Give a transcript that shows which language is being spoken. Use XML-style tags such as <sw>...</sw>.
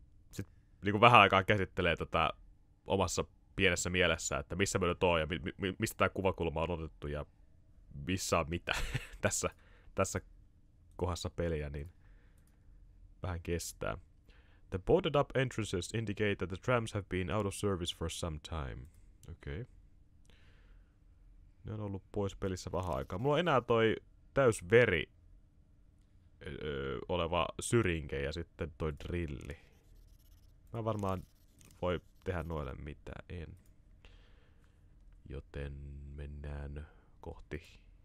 <fi>Sitten niin kuin vähän aikaa käsittelee tätä omassa pienessä mielessä, että missä me nyt on ja mistä tämä kuvakulma on otettu ja missä on mitä tässä kohdassa peliä, niin vähän kestää.</fi> <en>The boarded up entrances indicate that the trams have been out of service for some time.</en> <fi>Okei. Okay. Ne on ollut pois pelissä vähän aikaa. Mulla on enää toi täys veri oleva syrinke ja sitten toi drilli. Mä varmaan voi tehdä noille mitä en. Joten mennään kohti.</fi>